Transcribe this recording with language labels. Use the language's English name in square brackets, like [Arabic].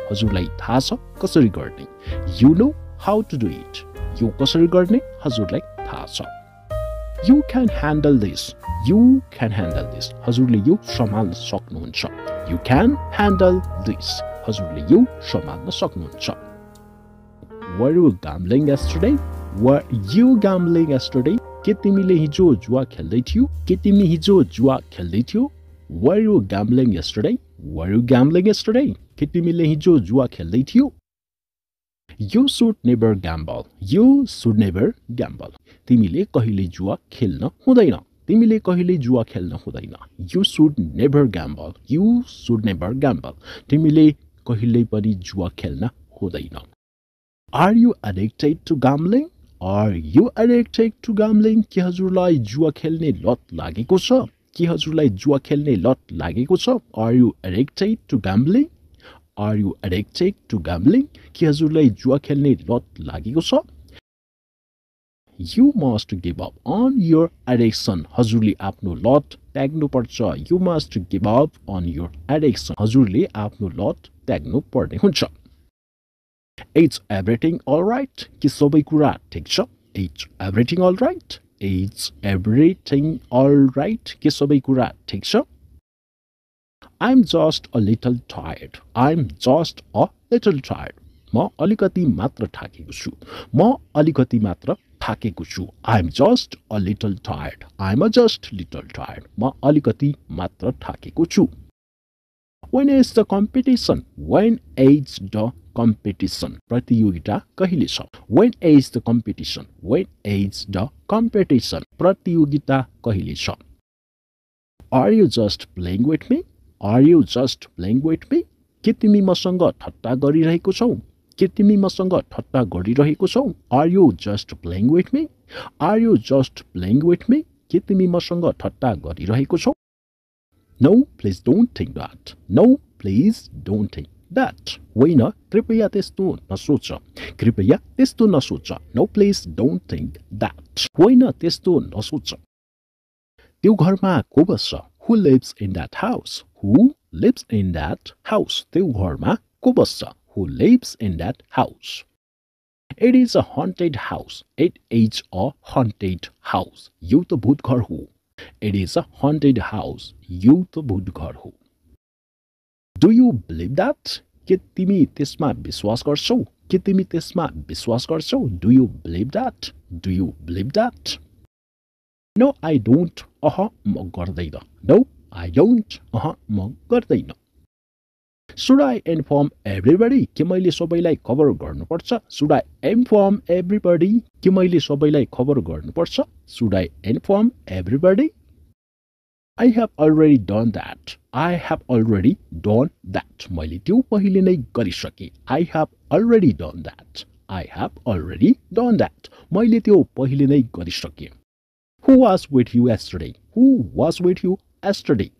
[Nepali] हजुरलाई थाहा छ कसरी गर्ने? [English] You know how to do it. [Nepali] यो कसरी गर्ने? हजुरलाई थाहा छ. [English] You can handle this. You can handle this. [Nepali] हजुरले यो सम्हाल्न सक्नुहुन्छ. [English] You can handle this. [Nepali] हजुरले यो सम्हाल्न सक्नुहुन्छ. [English] Were you gambling yesterday? Were you gambling yesterday? [Nepali] के तिमीले हिजो जुवा खेल्दै थियो? के तिमी हिजो जुवा खेल्दै थियो? [English] Were you gambling yesterday? Were you gambling yesterday? [Nepali] के तिमीले हिजो जुवा खेल्दै थियो? [English] You should never gamble. You should never gamble. [Nepali] तिमीले कहिले जुवा खेल्न हुँदैन. तिमीले कहिले जुवा खेल्न हुँदैन. [English] You should never gamble. You should never gamble. [Nepali] तिमीले कहिले पनि जुवा खेल्न हुँदैन. [English] Are you addicted to gambling? Are you addicted to gambling? [Nepali] के हजुरलाई जुवा खेल्ने लत लागेको छ? के हजुरलाई जुवा खेल्ने लत लागेको छ? [English] Are you addicted to gambling? Are you addicted to gambling? [Nepali] के हजुरलाई जुवा खेल्ने लत लागेको छ? [English] You must give up on your addiction. [Nepali] हजुरले आफ्नो लत त्याग्नु पर्छ. [English] You must give up on your addiction. [Nepali] हजुरले आफ्नो लत त्याग्नु पर्ने हुन्छ. [English] Is everything all right? [Nepali] के सबै कुरा ठिक छ? [English] Is everything all right? Is everything all right? [Nepali] के सबै कुरा ठिक छ? [English] I'm just a little tired. I'm just a little tired. [Nepali] म अलिकति मात्र थाकेको छु. म अलिकति मात्र थाकेको छु. [English] I'm just a little tired. I'm a just little tired. [Nepali] म अलिकति मात्र थाकेको छु. [English] When is the competition? When is the competition? [Nepali] प्रतियोगिता कहिले छ? [English] When is the competition? When is the competition? [Nepali] प्रतियोगिता कहिले छ? [English] Are you just playing with me? Are you just playing with me? [Nepali] के तिमी मसँग ठट्टा गरिरहेको छौ? के तिमी मसँग ठट्टा गरिरहेको छौ? [English] Are you just playing with me? Are you just playing with me? [Nepali] के तिमी मसँग ठट्टा गरिरहेको छौ? [English] No, please don't think that. No, please don't think that. [Nepali] होइन, कृपया त्यस्तो नसोच. कृपया त्यस्तो नसोच. [English] No, please don't think that. [Nepali] होइन, त्यस्तो नसोच. त्यो घरमा को बस्छ? [English] Who lives in that house? Who lives in that house? [Nepali] त्यो घरमा को बस्छ? [English] Who lives in that house? It is a haunted house. It is a haunted house. [Nepali] यो त भूत घर हो. [English] It is a haunted house. [Nepali] यो त भूत घर हो. [English] Do you believe that? [Nepali] के तिमी त्यसमा विश्वास गर्छौ? के तिमी त्यसमा विश्वास गर्छौ? [English] Do you believe that? Do you believe that? No, I don't. [Nepali] म गर्दैन. [English] No, I don't. [Nepali] म गर्दैन. [English] Should I inform everybody? [Nepali] के मैले सबैलाई खबर गर्नुपर्छ? [English] Should I inform everybody? [Nepali] के मैले सबैलाई खबर गर्नुपर्छ? [English] Should I inform everybody? I have already done that. I have already done that. [Nepali] मैले त्यो पहिले नै गरिसके. [English] I have already done that. I have already done that. [Nepali] मैले त्यो पहिले नै गरिसके. [English] Who was with you yesterday? Who was with you yesterday?